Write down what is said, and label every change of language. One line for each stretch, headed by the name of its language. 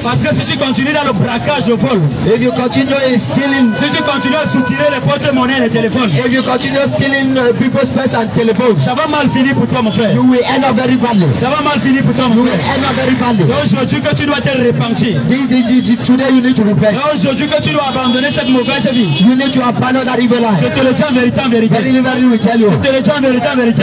French: Parce que si tu continues dans le braquage, le vol.
English: If you continue stealing.
French: Si tu continues à soutirer les porte-monnaie et les téléphones.
English: If you continue stealing people's purse and telephones.
French: Ça va mal finir pour toi, mon frère.
English: You will end up very badly.
French: Ça va mal finir pour toi, mon frère. Aujourd'hui que tu dois te repentir.
English: This is today you need to repent.
French: Aujourd'hui que tu dois abandonner cette mauvaise vie.
English: You need to abandon that evil life.
French: Je te le dis en vérité, en vérité.
English: Very liberally we tell you.
French: Je te le dis en vérité, en vérité.